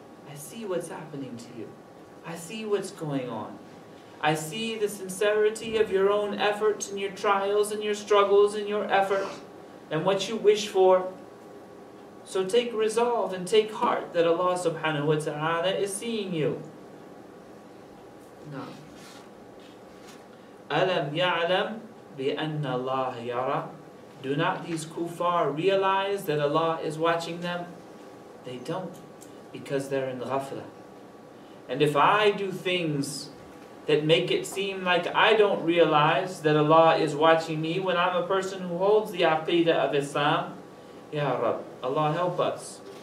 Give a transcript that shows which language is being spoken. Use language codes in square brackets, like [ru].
[en] I see what's happening to you. I see what's going on. I see the sincerity of your own efforts and your trials and your struggles and your effort and what you wish for. So take resolve and take heart that Allah subhanahu wa ta'ala is seeing you. Now, [ar] أَلَمْ يَعْلَمْ بِأَنَّ اللَّهَ يَرَى. [en] Do not these kuffar realize that Allah is watching them? They don't, because they're in ghafla. And if I do things that make it seem like I don't realize that Allah is watching me when I'm a person who holds the Aqeedah of Islam, Ya Rab, Allah help us.